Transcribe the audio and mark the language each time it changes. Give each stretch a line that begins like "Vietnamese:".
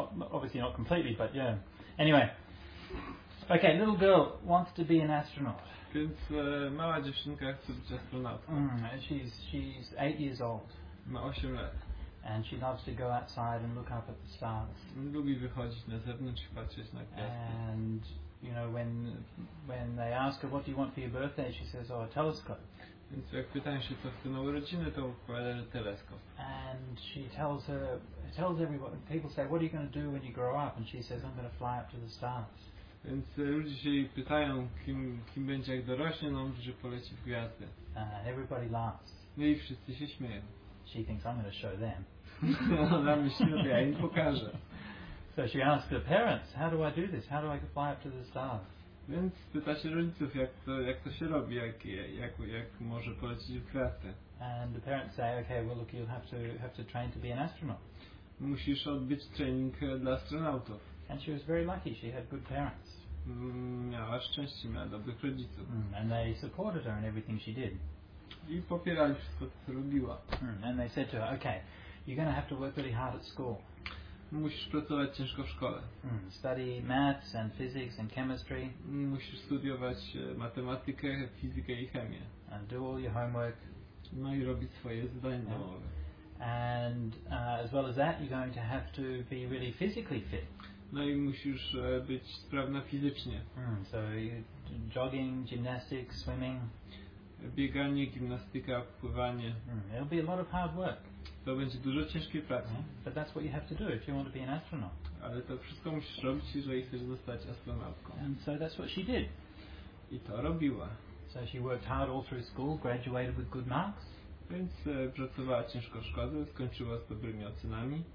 English: Obviously not completely, but yeah. Anyway, okay, little girl wants to be an astronaut.
Polish: Więc mała dziewczynka chce być astronautką.
English: She's 8 years old.
Polish: Ma 8 lat.
English: And she loves to go outside and look up at the stars.
Polish: Lubi wychodzić na zewnątrz i patrzeć na gwiazdy.
English: And you know, when they ask her, what do you want for your birthday, she says, oh, a telescope.
Polish: Więc jak pytają się, co chce na urodziny, to odpowiada, że teleskop.
English: And she tells everybody, people say, what are you going to do when you grow up? And she says, I'm going to fly up to the stars.
Polish: Więc ludzie się jej pytają, kim będzie jak dorośnie, no mówi, że poleci w gwiazdy.
English: And everybody laughs.
Polish: No i wszyscy się śmieją.
English: She thinks, I'm going to show them.
Polish: Ona myśli, że ja im pokażę.
English: So she asks her parents, how do I do this? How do I fly up to the stars?
Polish: Więc pyta się rodziców, jak to się robi, jak może polecić w kwiaty.
English: And the parents say, okay, well look, you'll have to train to be an astronaut.
Polish: Musisz odbyć trening dla astronautów.
English: And she was very lucky, she had good parents.
Polish: Miała szczęście, miała dobrych rodziców.
English: And they supported her in everything she did.
Polish: I popierali wszystko, co robiła.
English: And they said to her, okay, you're going to have to work really hard at school.
Polish: Musisz pracować ciężko w szkole.
English: Study maths and physics and chemistry.
Polish: Musisz studiować matematykę, fizykę i chemię.
English: And do all your homework.
Polish: No i robić swoje zadania domowe.
English: And as well as that, you're going to have to be really physically fit.
Polish: No i musisz być sprawna fizycznie.
English: So jogging, gymnastics, swimming.
Polish: Bieganie, gimnastyka, pływanie.
English: It'll be a lot of hard work.
Polish: To będzie dużo ciężkiej pracy.
English: Yeah, but that's what you have to do if you want to be an astronaut.
Polish: Ale to wszystko musisz robić, jeżeli chcesz zostać astronautką.
English: And so that's what she did.
Polish: I to robiła.
English: So she worked hard all through school, graduated with good marks.
Polish: Więc pracowała ciężko w szkole, skończyła z dobrymi ocenami.